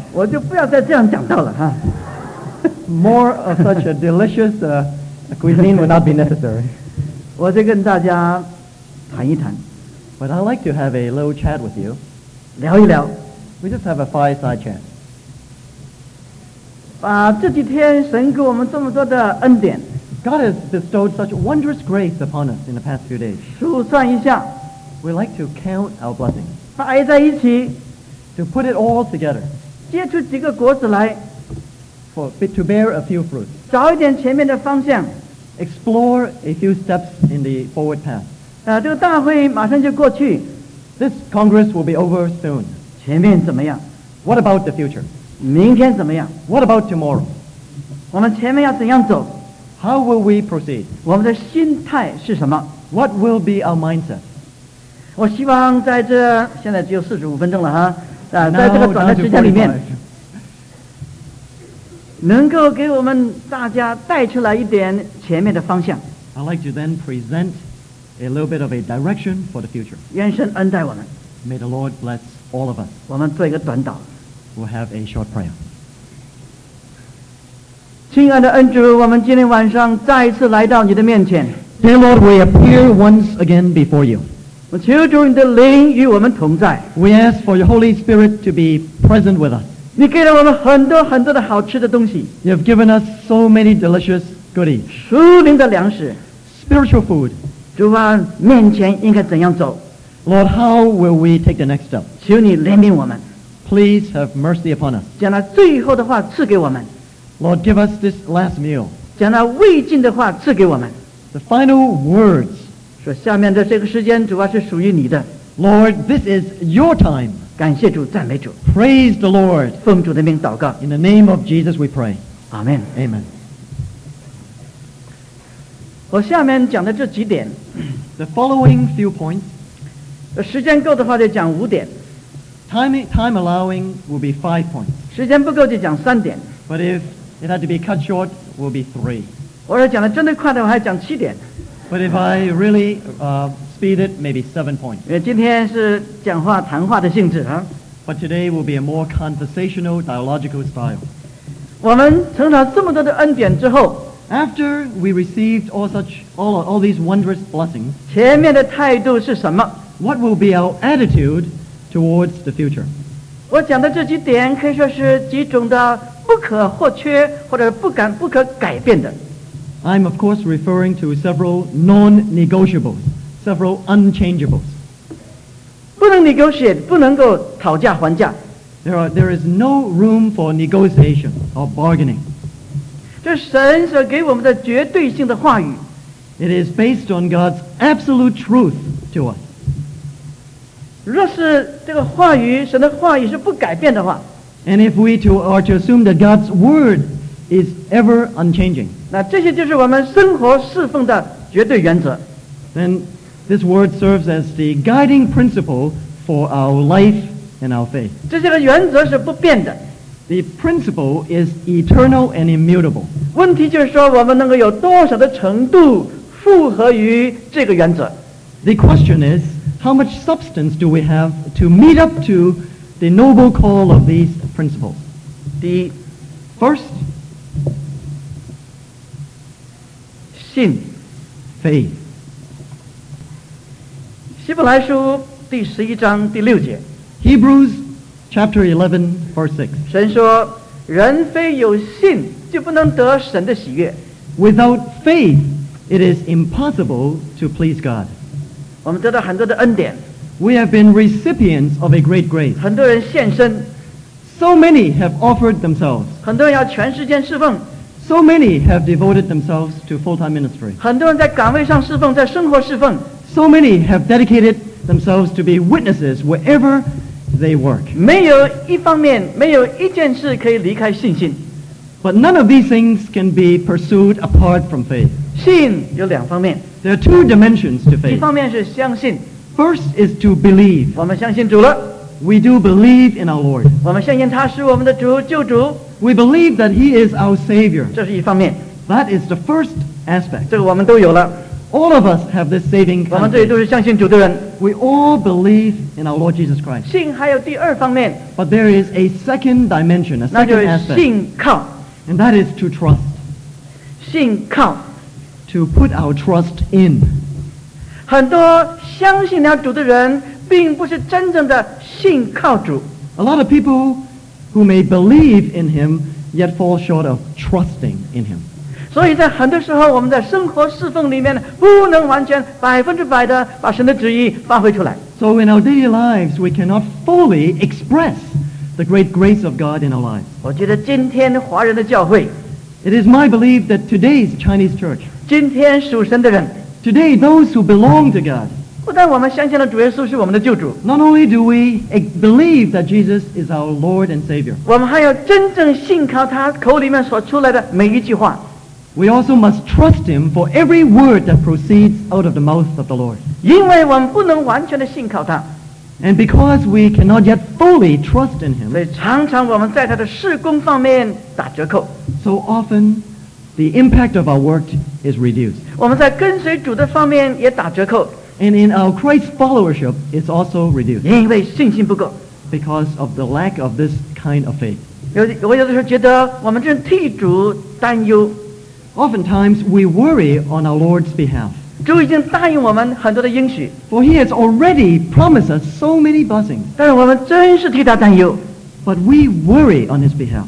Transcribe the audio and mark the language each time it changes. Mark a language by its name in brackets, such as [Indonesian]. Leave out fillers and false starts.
[Chinese] 我就不要再这样讲到了哈。 [English] More of such a delicious cuisine would not be necessary. [Chinese] 我就跟大家谈一谈。 [English] But I'd like to have a little chat with you. [Chinese] 聊一聊。 [English] We just have a fireside chat. [Chinese] 把这几天神给我们这么多的恩典。 [English] God has bestowed such wondrous grace upon us in the past few days. [Chinese] 数算一下。 [English] We like to count our blessings. [Chinese] 摆在一起。 [English] To put it all together. [Chinese] 结出几个果子来。 [English] To bear a few fruits. [Chinese] 找一点前面的方向。 [English] Explore a few steps in the forward path. [Chinese] 这个大会马上就过去。 [English] This Congress will be over soon. [Chinese] 前面怎么样？ [English] What about the future? [Chinese] 明天怎么样？ [English] What about tomorrow? [Chinese] 我们前面要怎样走？ [English] How will we proceed? [Chinese] 我们的心态是什么？ [English] What will be our mindset? [Chinese] 我希望在这现在只有45分钟了哈，在这个短的时间里面，能够给我们大家带出来一点前面的方向。 [English] I'd like to then present a little bit of a direction for the future. [Chinese] 愿神恩待我们。 [English] May the Lord bless all of us. [Chinese] 我们做一个短祷。 [English] We'll have a short prayer. [Chinese] 亲爱的恩主，我们今天晚上再次来到你的面前。 [English] Dear Lord, we appear once again before you. [Chinese] 我求主你的灵与我们同在。 [English] We ask for your Holy Spirit to be present with us. [Chinese] 你给了我们很多很多的好吃的东西。 [English] You have given us so many delicious goodies. [Chinese] 属灵的粮食。 [English] Spiritual food. [Chinese] 主啊，面前应该怎样走？ [English] Lord, how will we take the next step? [Chinese] 求你怜悯我们。 [English] Please have mercy upon us. [Chinese] 将那最后的话赐给我们。 [English] Lord, give us this last meal. [Chinese] 将那未尽的话赐给我们。 [English] The final words. [Chinese] 说下面的这个时间主要是属于你的 [English] Lord, this is your time [Chinese] 感谢主赞美主 [English] Praise the Lord [Chinese] 奉主的名祷告 [English] In the name of Jesus we pray Amen Amen [Chinese] 我下面讲的这几点 [English] The following few points [Chinese] 时间够的话就讲五点 [English] time allowing will be 5 points [Chinese] 时间不够就讲三点 [English] But if it had to be cut short will be 3 [Chinese] 我要讲的真的快的话还讲七点 [English] But if I really speed it, maybe 7 points. [Chinese] 今天是讲话谈话的性质啊。 [English] But today will be a more conversational, dialogical style. [Chinese] 我们承受这么多的恩典之后 [English] After we received all these wondrous blessings, [Chinese] 前面的态度是什么？ [English] What will be our attitude towards the future? [Chinese] 我讲的这几点可以说是几种的不可或缺或者不可改变的。 [English] I'm of course referring to several non-negotiables, several unchangeables. [Chinese] 不能 negotiate, 不能够讨价还价。 [English] There is no room for negotiation or bargaining. [Chinese] 这是神所给我们的绝对性的话语。 [English] It is based on God's absolute truth to us. [Chinese] 若是这个话语，神的话语是不改变的话。 [English] And if we are to assume that God's word is ever unchanging, [Chinese] 那这些就是我们生活侍奉的绝对原则。 [English] Then this word serves as the guiding principle for our life and our faith. [Chinese] 这些个原则是不变的。 [English] The principle is eternal and immutable. [Chinese] 问题就是说我们能够有多少的程度符合于这个原则。 [English] The question is, how much substance do we have to meet up to the noble call of these principles? The first, [Chinese] 信 [English] faith [Chinese] 希伯来书第十一章第六节 [English] Hebrews chapter 11 verse 6 [Chinese] 神说人非有信就不能得神的喜悦 [English] Without faith it is impossible to please God [Chinese] 我们得到很多的恩典 [English] We have been recipients of a great grace [Chinese] 很多人献身 [English] So many have offered themselves [Chinese] 很多人要全世界侍奉 [English] So many have devoted themselves to full-time ministry. [Chinese] 很多人在岗位上侍奉，在生活侍奉。 [English] So many have dedicated themselves to be witnesses wherever they work. [Chinese] 没有一方面，没有一件事可以离开信心。 [English] But none of these things can be pursued apart from faith. [Chinese] 信有两方面。 [English] There are two dimensions to faith. [Chinese] 一方面是相信。 [English] First is to believe. [Chinese] 我们相信主了。 [English] We do believe in our Lord. [Chinese] 我们相信他是我们的主，救主。 [English] We believe that He is our Savior. [Chinese] 这是一方面。 [English] That is the first aspect. [Chinese] 这个我们都有了。 [English] All of us have this saving conscience. We all believe in our Lord Jesus Christ. [Chinese] 信还有第二方面。 [English] But there is a second dimension, a second aspect. [Chinese] 那就是信靠。 [English] And that is to trust. [Chinese] 信靠。 [English] To put our trust in. [Chinese] 很多相信了主的人并不是真正的信靠主。 [English] A lot of people who may believe in him yet fall short of trusting in him. [Chinese] 所以在很多时候我们在生活侍奉里面不能完全百分之百的把神的旨意发挥出来。 [English] So in our daily lives, we cannot fully express the great grace of God in our lives. [Chinese] 我觉得今天华人的教会 [English] It is my belief that today's Chinese church, [Chinese] 今天属神的人 [English] today those who belong to God, [Chinese] 不但我们相信了主耶稣是我们的救主 [English] not only do we believe that Jesus is our Lord and Savior, [Chinese] 我们还要真正信靠他口里面所出来的每一句话。 [English] We also must trust him for every word that proceeds out of the mouth of the Lord. [Chinese] 因为我们不能完全的信靠他。 [English] And because we cannot yet fully trust in him, [Chinese] 所以常常我们在他的事工方面打折扣。 [English] So often, the impact of our work is reduced. [Chinese] 我们在跟随主的方面也打折扣。 [English] And in our Christ followership, it's also reduced. [Chinese] 因为信心不够。 [English] Because of the lack of this kind of faith. [Chinese] 我有的时候觉得我们正替主担忧。 [English] Oftentimes, we worry on our Lord's behalf. [Chinese] 主已经答应我们很多的应许。 [English] For he has already promised us so many blessings. [Chinese] 但是我们真是替他担忧。 [English] But we worry on his behalf.